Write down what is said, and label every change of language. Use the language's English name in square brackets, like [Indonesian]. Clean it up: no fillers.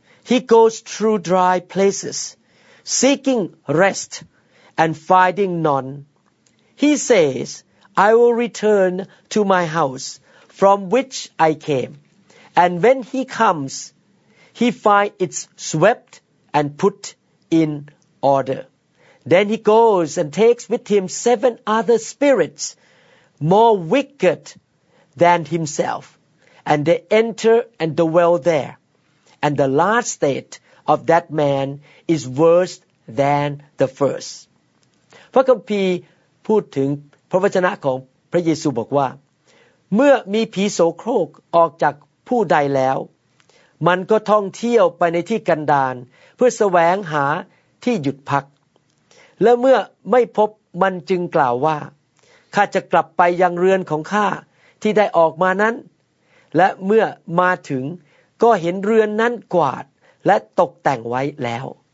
[English] he goes through dry places seeking rest and finding none he says I will return to my house from which I came and when he comes he finds it swept and put in order. Then he goes and takes with him seven other spirits more wicked than himself, and they enter and dwell there. And the last state of that man is worse than the first. [Thai] พระคัมภีร์พูดถึงพระวจนะของพระเยซูบอกว่าเมื่อมีผีโสโครกออกจากผู้ใดแล้วมันก็ท่องเที่ยวไปในที่กันดารเพื่อแสวงหาที่หยุดพักและเมื่อไม่พบมันจึงกล่าวว่าข้าจะกลับไปยังเรือนของข้าที่ได้ออกมานั้นและเมื่อมาถึงก็เห็นเรือนนั้นกวาดและตกแต่งไว้แล้ว